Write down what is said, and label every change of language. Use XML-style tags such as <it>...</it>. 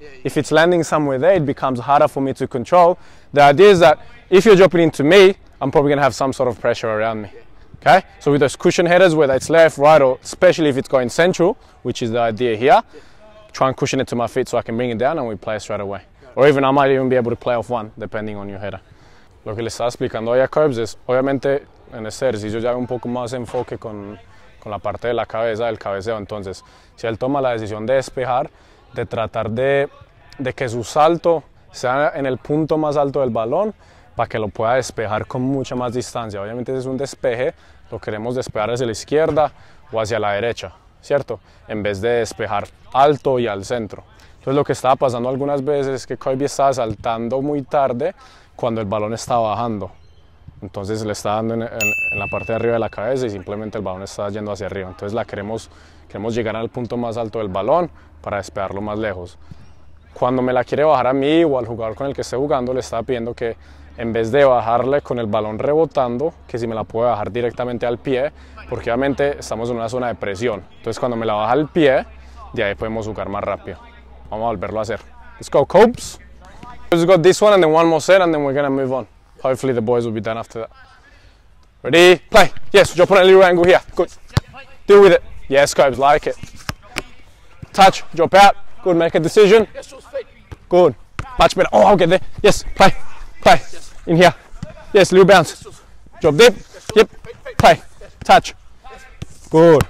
<en>If it's landing somewhere there, it becomes harder for me to control. The idea is that if you're dropping into me, I'm probably gonna have some sort of pressure around me, okay? So with those cushion headers, whether it's left, right, or especially if it's going central, which is the idea here, try and cushion it to my feet so I can bring it down and we play straight away. Or even I might even be able to play off one, depending on your header.</en> <es>Lo que le estaba explicando a Jacobs es, obviamente, en este ejercicio ya hay un poco más enfoque con la parte de la cabeza, del cabeceo. Entonces, si él toma la decisión de despejar, de tratar de que su salto sea en el punto más alto del balón para que lo pueda despejar con mucha más distancia. Obviamente, si es un despeje, lo queremos despejar hacia la izquierda o hacia la derecha, ¿cierto? En vez de despejar alto y al centro. Entonces, lo que estaba pasando algunas veces es que Kobe estaba saltando muy tarde cuando el balón estaba bajando. Entonces le está dando en la parte de arriba de la cabeza y simplemente el balón está yendo hacia arriba. Entonces la queremos llegar al punto más alto del balón para despejarlo más lejos. Cuando me la quiere bajar a mí o al jugador con el que esté jugando, le está pidiendo que en vez de bajarle con el balón rebotando, que si me la puede bajar directamente al pie, porque obviamente estamos en una zona de presión. Entonces cuando me la baja al pie, de ahí podemos jugar más rápido. Vamos a volverlo a hacer.</es> <en>Let's go,</en> <es>Copes.</es> <en>We've got this one and then one more set and then we're going to move on. Hopefully the boys will be done after that. Ready? Play. Yes, drop on a little angle here. Good. Deal with it. Yes, Cobes, like it. Touch, drop out. Good, make a decision. Good. Much better. Oh, I'll get there. Yes, play. Play. In here. Yes, little bounce. Drop deep. Yep. Play. Touch. Good.</en>